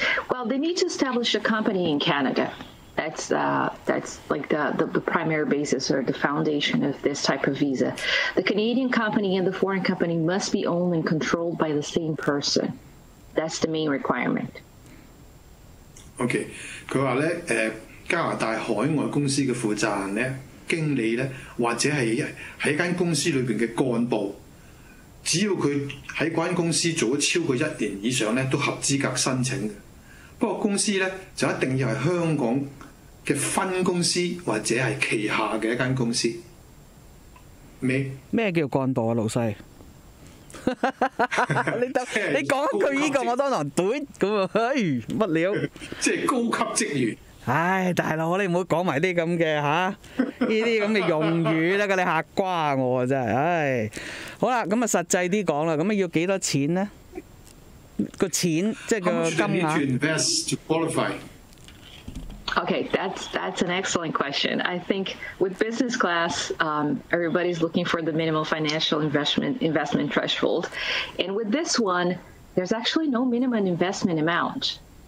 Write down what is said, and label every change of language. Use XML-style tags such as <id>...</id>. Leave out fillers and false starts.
<en>Well, they need to establish a company in Canada. That's like the primary basis or the foundation of this type of visa. The Canadian company and the foreign company must be owned and controlled by the same person. That's the main requirement. Okay.</en> <yue>他說呢，加拿大海外公司的負責人呢，經理呢，或者是在一間公司裏面的幹部，只要他在那間公司做了超過一年以上呢，都合資格申請的。不過公司呢，就一定要是香港的分公司或者是旗下的一間公司。什麼叫幹部啊，老闆？你讲一句呢个，我当堂怼咁啊！哎，乜料？即系高级职员。唉，大佬，你唔好讲埋啲咁嘅吓，呢啲咁嘅用语啦，你吓瓜我啊！真系，唉，好啦，咁啊，实际啲讲啦，咁啊，要几多钱咧？个钱即系个金额。</yue> <en>How much do you need to invest to qualify? Okay, that's an excellent question. I think with business class, everybody's looking for the minimal financial investment threshold. And with this one, there's actually no minimum investment amount.</en>